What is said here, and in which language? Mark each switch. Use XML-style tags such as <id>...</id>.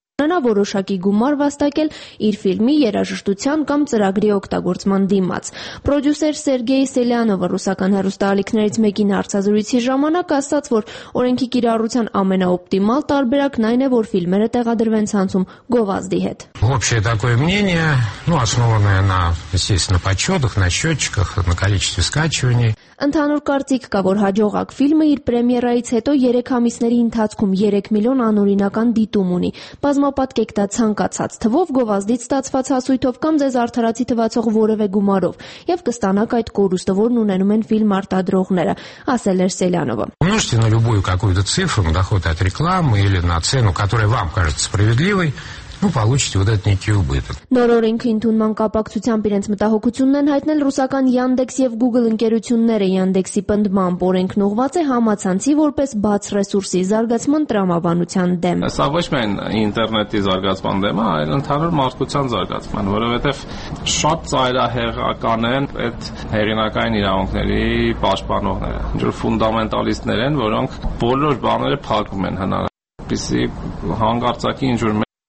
<hy>նա որոշակի գումար վաստակել իր ֆիլմի երաժշտության կամ ծրագրի օգտագործման դիմաց։ Պրոդյուսեր Սերգեյ Սելյանովը ռուսական հեռուստաալիքներից մեկին հարցազրույցի ժամանակ ասաց, որ օրենքի կիրառության ամենաօպտիմալ տարբերակն այն է, որ ֆիլմերը տեղադրվեն ցանցում գովազդի հետ։</hy> <ru>Общее такое мнение, ну, основанное на, естественно, подсчётах, на счётчиках, на количестве скачиваний.</ru> <hy>Ընդհանուր կարծիք կա, որ հաջողակ ֆիլմը իր պրեմիերայից հետո 3 ամիսների ընթացքում 3 միլիոն անօրինական դիտում ունի։ Բազմապատկեք դա ցանկացած թվով, գովազդից ստացված հասույթով կամ ձեզ արդարացի թվացող որևէ գումարով, եւ կստանաք այդ կորուստը, որն ունենում են ֆիլմ արտադրողները, ասել էր Սելյանովը։</hy> <ru>Можете на любую какую-то цифру, доход от рекламы или на цену, которая вам кажется справедливой, ну получите вот этот некий убыток.</ru> <hy>Նորօրինք ընդունման կապակցությամբ իրենց մտահոգությունն են հայտնել ռուսական Yandex եւ Google ընկերությունները։ Yandex-ի ընդմամբ օրենքն ուղղված է համացանցի որպես բաց ռեսուրսի զարգացման տրամաբանության դեմ։ Սա ոչ միայն ինտերնետի զարգացման դեմ է, այլ ընդհանուր մարդկության զարգացման, որովհետեւ շատ ծայրահեղական են այդ հեղինակային իրավունքների պաշտպանողները, ինչ որ ֆունդամենտալիստներ են, որոնք բոլոր բաները փակում են հնարավորինս հանգարցակի ինչ որ</hy>